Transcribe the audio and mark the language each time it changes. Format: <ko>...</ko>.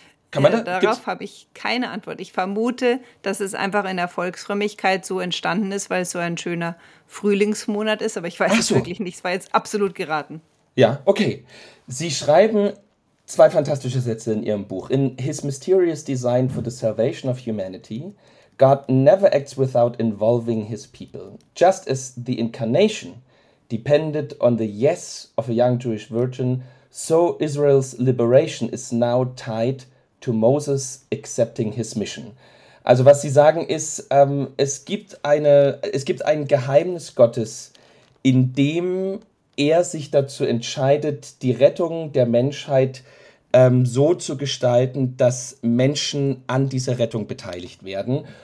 <de>Kann man da, darauf habe ich keine Antwort. Ich vermute, dass es einfach in der Volksfrömmigkeit so entstanden ist, weil es so ein schöner Frühlingsmonat ist. Aber ich weiß es wirklich nicht. Es war jetzt absolut geraten. Ja, okay. Sie schreiben 2 fantastische Sätze in Ihrem Buch.</de> <en>In His Mysterious Design for the Salvation of Humanity, God never acts without involving his people. Just as the incarnation depended on the yes of a young Jewish virgin, so Israel's liberation is now tied to Moses accepting his mission.</en> <de>Also was sie sagen ist, es gibt ein Geheimnis Gottes, in dem er sich dazu entscheidet, die Rettung der Menschheit so zu gestalten, dass Menschen an dieser Rettung beteiligt werden.</de>